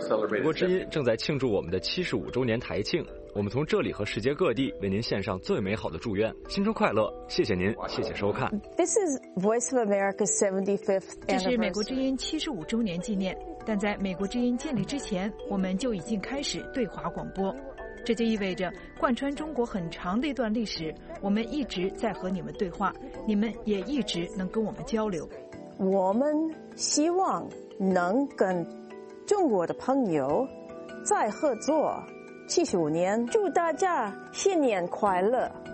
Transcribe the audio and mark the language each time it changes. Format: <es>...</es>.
<zh>美国之音正在庆祝我们的75周年台庆，我们从这里和世界各地为您献上最美好的祝愿，新春快乐！谢谢您，谢谢收看。</zh> <en>This is Voice of America 75th anniversary.</en> <zh>这是美国之音75周年纪念，但在美国之音建立之前，我们就已经开始对华广播，这就意味着贯穿中国很长的一段历史，我们一直在和你们对话，你们也一直能跟我们交流。我们希望能跟中国的朋友再合作75年，祝大家新年快乐。</zh>